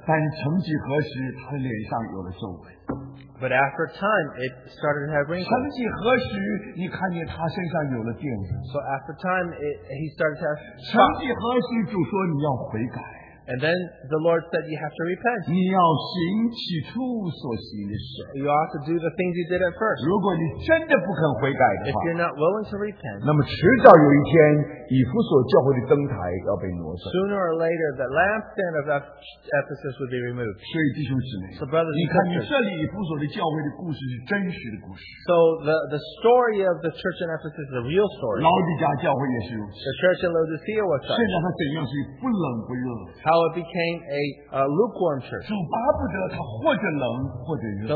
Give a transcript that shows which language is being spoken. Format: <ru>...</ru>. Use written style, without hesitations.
<zh>但曾几何时, 他脸上有了皱纹,</zh> <en>but after time, it started to have wrinkles.</en> <zh>曾几何时, 你看见他身上有了玷污,</zh> <en>so after time, he started to have spots.</en> <zh>曾几何时, 主说你要悔改,</zh> <en>and then the Lord said, you have to repent. You ought to do the things you did at first.</en> <zh>如果你真的不肯悔改的话,</zh> <en>if you're not willing to repent,</en> <zh>那么迟早有一天, 以弗所教会的灯台要被挪走,</zh> <en>sooner or later, the lampstand of Ephesus would be removed.</en> <zh>所以弟兄姊妹,</zh> <en>so brothers and sisters, so the story of the church in Ephesus is a real story. The church in Laodicea was such.</en> <zh>现在它怎样是不冷不热,</zh> <en>how it became a lukewarm church.</en> <zh>主巴不得它或者冷或者热,</zh>